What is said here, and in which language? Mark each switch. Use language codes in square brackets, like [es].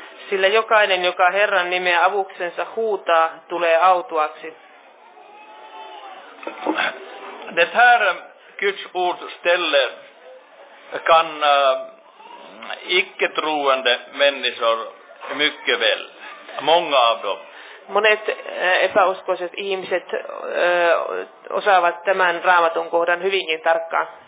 [fi] Sillä jokainen, joka Herran nimeä avuksensa huutaa, tulee autuaksi. [sv] Det här Guds ord ställe kan icke-troende människor mycket väl. Många av dem. [fi] Monet epäuskoiset ihmiset osaavat tämän raamatun kohdan hyvinkin tarkkaan.